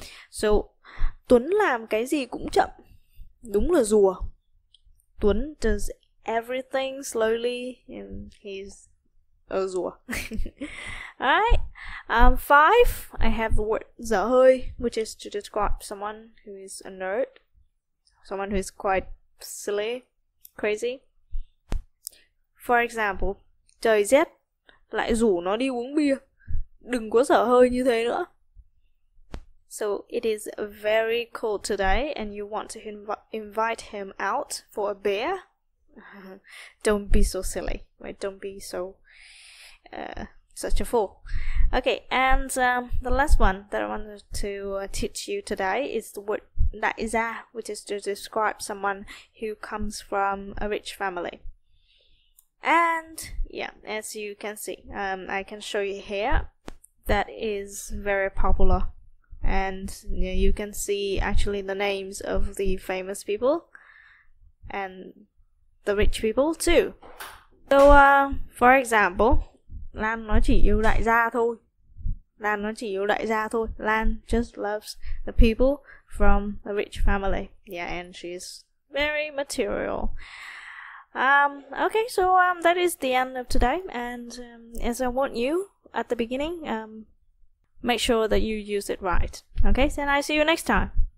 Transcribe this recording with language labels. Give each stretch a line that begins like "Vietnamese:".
Vietnamese: So Tuấn làm cái gì cũng chậm, đúng là rùa.
English: Tuấn does everything slowly and he's a rùa. Alright, five, I have the word dở hơi, which is to describe someone who is a nerd, someone who is quite silly, crazy. For example,
Vietnamese: trời rét, lại rủ nó đi uống bia, đừng có dở hơi như thế nữa.
English: So it is very cold today and you want to invite him out for a beer, don't be so silly, right? Don't be so such a fool. Okay, and the last one that I wanted to teach you today is the word đại gia, which is to describe someone who comes from a rich family. And yeah, as you can see, I can show you here, that is very popular, and yeah, you can see actually the names of the famous people and the rich people too. So for example,
Vietnamese: Lan nó chỉ yêu đại gia thôi. Lan nó chỉ yêu đại gia thôi.
English: Lan just loves the people from a rich family. Yeah, and she's very material. Okay, so that is the end of today. And as I warned you at the beginning, make sure that you use it right. Okay, and I see you next time.